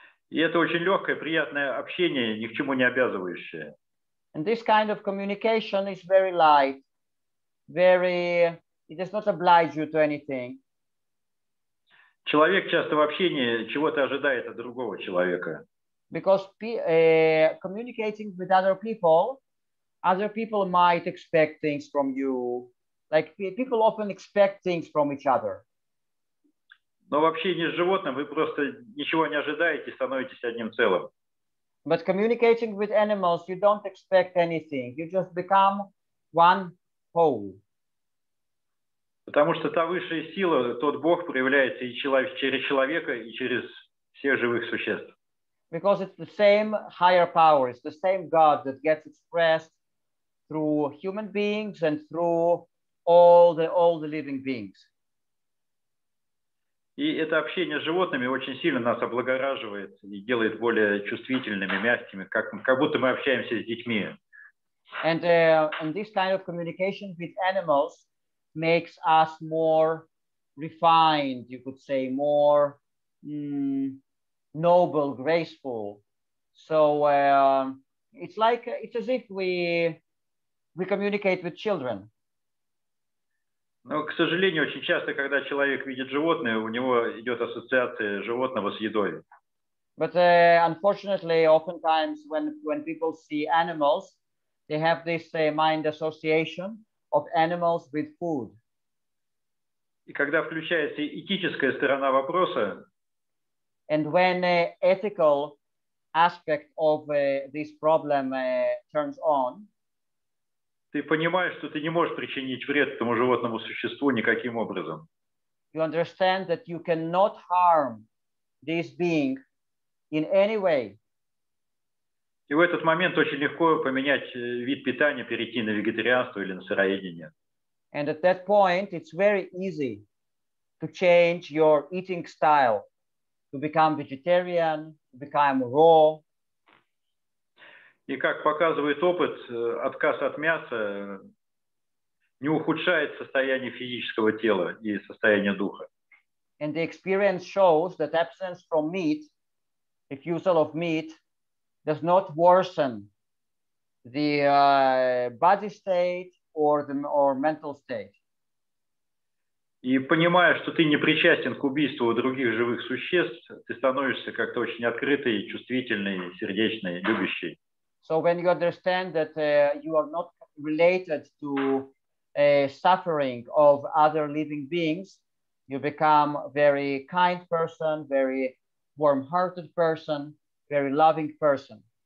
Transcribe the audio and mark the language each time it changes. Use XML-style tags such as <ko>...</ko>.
<ru>И это очень легкое, приятное общение, ни к чему не обязывающее.</ru> <en>And this kind of communication is very light, it does not oblige you to anything.</en> <ru>Человек часто в общении чего-то ожидает от другого человека.</ru> <en>Because communicating with other people might expect things from you. Like people often expect things from each other.</en> <ru>Но в общении с животным вы просто ничего не ожидаете, становитесь одним целым.</ru> <en>But communicating with animals, you don't expect anything. You just become one whole.</en> <ru>Потому что та высшая сила, тот Бог проявляется и через человека, и через всех живых существ.</ru> <en>Because it's the same higher power, it's the same God that gets expressed through human beings and through all the living beings.</en> <ru>И это общение с животными очень сильно нас облагораживает и делает более чувствительными, мягкими, как будто мы общаемся с детьми.</ru> <en>And this kind of communication with animals makes us more refined, you could say, more noble, graceful. So it's like, it's as if we communicate with children.</en> <ru>Но, к сожалению, очень часто, когда человек видит животное, у него идет ассоциация животного с едой.</ru> <en>But unfortunately, oftentimes when people see animals, they have this mind association of animals with food.</en> <ru>И когда включается этическая сторона вопроса,</ru> <en>and when an ethical aspect of this problem turns on,</en> <ru>ты понимаешь, что ты не можешь причинить вред этому животному существу никаким образом.</ru> <en>You understand that you cannot harm this being in any way.</en> <ru>И в этот момент очень легко поменять вид питания, перейти на вегетарианство или на сыроедение.</ru> <en>And at that point, it's very easy to change your eating style, to become vegetarian, to become raw.</en> <ru>И как показывает опыт, отказ от мяса не ухудшает состояние физического тела и состояние духа.</ru> <en>And the experience shows that abstinence from meat, refusal of meat, does not worsen the body state or mental state.</en> <ru>И понимая, что ты не причастен к убийству других живых существ, ты становишься как-то очень открытый, чувствительный, сердечный, любящий.</ru> <en>So when you understand that you are not related to a suffering of other living beings, you become a very kind person, very warm-hearted person, very loving person.</en>